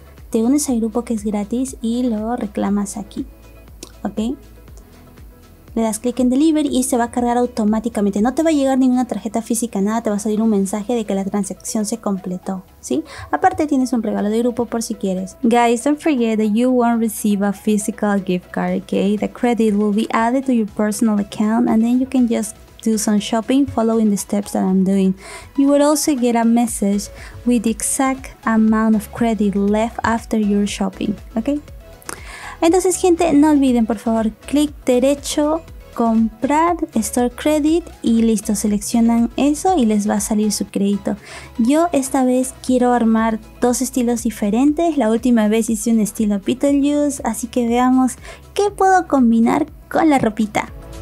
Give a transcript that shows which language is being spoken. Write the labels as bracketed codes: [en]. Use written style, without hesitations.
[es] Te unes al grupo que es gratis y lo reclamas aquí. ¿Ok? Le das clic en Deliver y se va a cargar automáticamente. No te va a llegar ninguna tarjeta física, nada. Te va a salir un mensaje de que la transacción se completó. ¿Sí? Aparte tienes un regalo de grupo por si quieres. [en] Guys, don't forget that you won't receive a physical gift card, ¿ok? The credit will be added to your personal account and then you can just do some shopping following the steps that I'm doing. You will also get a message with the exact amount of credit left after your shopping. Okay? [es] Entonces, gente, no olviden, por favor, clic derecho, comprar, store credit, y listo, seleccionan eso y les va a salir su crédito. Yo esta vez quiero armar dos estilos diferentes. La última vez hice un estilo Beetlejuice, así que veamos qué puedo combinar con la ropita.